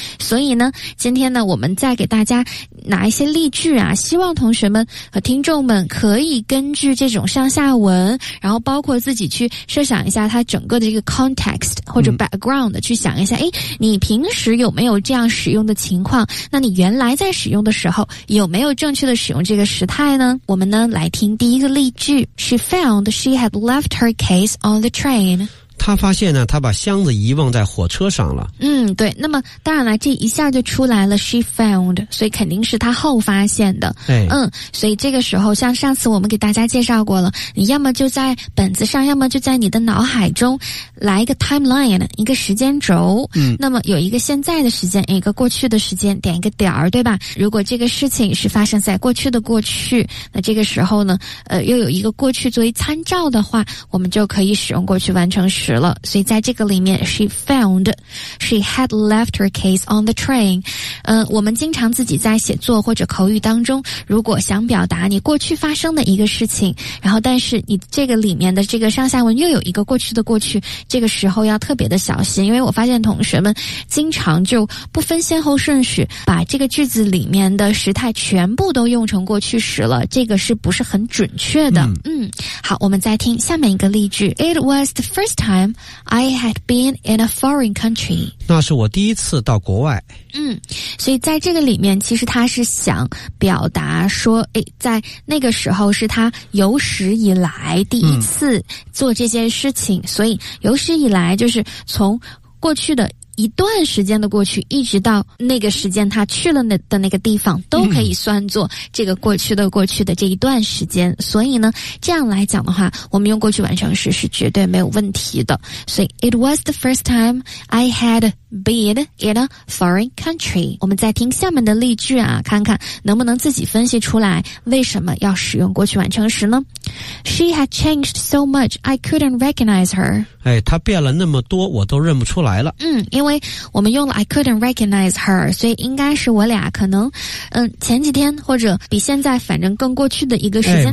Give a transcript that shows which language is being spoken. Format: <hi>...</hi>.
<zh>所以呢今天呢我们再给大家拿一些例句啊，希望同学们和听众们可以根据这种上下文，然后包括自己去设想一下它整个的一个 context 或者 background 去想一下，你平时有没有这样使用的情况，那你原来在使用的时候有没有正确的使用这个时态呢？我们呢来听第一个例句。</zh> <en>She found she had left her case on the train.</en> <zh>他发现呢他把箱子遗忘在火车上了。对，那么当然了这一下就出来了</zh> <en>she found,</en> <zh>所以肯定是他后发现的。所以这个时候像上次我们给大家介绍过了，你要么就在本子上，要么就在你的脑海中来一个 timeline, 一个时间轴。那么有一个现在的时间，一个过去的时间，点一个点儿，对吧？如果这个事情是发生在过去的过去，那这个时候呢又有一个过去作为参照的话，我们就可以使用过去完成时了。所以在这个里面</zh> <en>she found she had left her case on the train。</en> <zh>我们经常自己在写作或者口语当中，如果想表达你过去发生的一个事情，然后但是你这个里面的这个上下文又有一个过去的过去，这个时候要特别的小心，因为我发现同学们经常就不分先后顺序，把这个句子里面的时态全部都用成过去时了，这个是不是很准确的？好，我们再听下面一个例句。</zh> <en>It was the first time I had been in a foreign country.</en> <zh>那是我第一次到国外。所以在这个里面其实他是想表达说，在那个时候是他有史以来第一次做这件事情，所以有史以来就是从过去的一段时间的过去一直到那个时间他去了的那个地方都可以算作这个过去的过去的这一段时间。所以呢这样来讲的话，我们用过去完成时是绝对没有问题的。所以</zh> <en>It was the first time I had been in a foreign country。</en> <zh>我们再听下面的例句啊，看看能不能自己分析出来为什么要使用过去完成时呢。</zh> <en>She had changed so much I couldn't recognize her。</en> <zh>她变了那么多我都认不出来了。因为我们用了</zh> <en>I couldn't recognize her,</en> <zh>所以应该是我俩可能前几天或者比现在反正更过去的一个时间点。</zh>